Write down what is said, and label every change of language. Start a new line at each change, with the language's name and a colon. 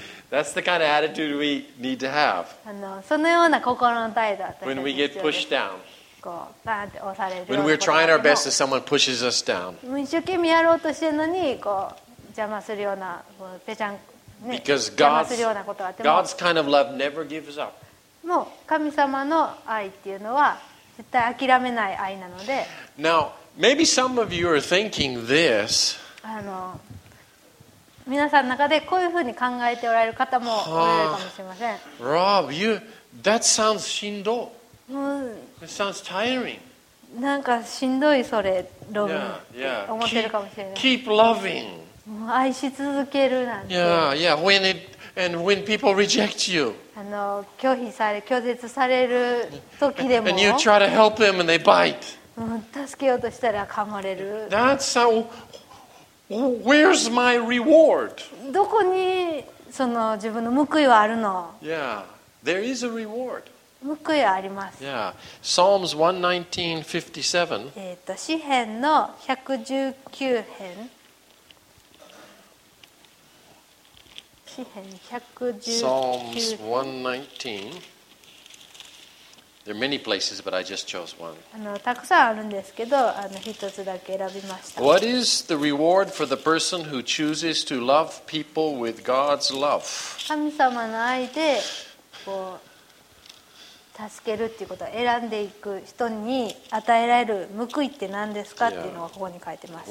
English: That's the kind of attitude we need to have.
Japanese: そのような心の態度は私は必要です。
English: When we get pushed down.
Japanese: こう、バーンって押されるような。
English: When we're trying our best and someone pushes us down.
Japanese: 一生懸命やろうとしてるのに、こう、邪魔するような、こう、ぺちゃん、ね、
English: Because God's,
Japanese: 邪魔するようなことがあっても、
English: God's kind of love never gives up.
Japanese: もう、神様の愛っていうのは、絶対諦めない愛なので。
English: Now, maybe some of you are thinking this.
Japanese: 皆さんの中でこういうふうに考えておられる方もおられるかもしれません。
English: Rob, you, that sounds
Japanese: しんど。
English: That sounds tiring.
Japanese: なんかしんどいそれ、ロビン。思ってるかもしれない。
English: Keep loving.
Japanese: 愛し続けるなんて。
English: When people reject you.
Japanese: 拒否され、拒絶される時でも。
English: And you try to help them and they bite.
Japanese: 助けようとしたら噛まれる。
English: That's how. Where's my reward?
Japanese: どこにその自分の報いはあるの?
English: Yeah, there is a reward.
Japanese: 報いはあります。
English: Yeah, Psalms 119:57.
Japanese: 詩編の119編。詩編119。
English: Psalms 119. There are many places, but I just chose one.
Japanese: たくさんあるんですけど、一つだけ選びました。
English: What is the reward for the person who chooses to love people with God's love?
Japanese: 神様の愛でこう助けるっていうことを選んでいく人に与えられる報いって何ですかっていうのをここに書いてます。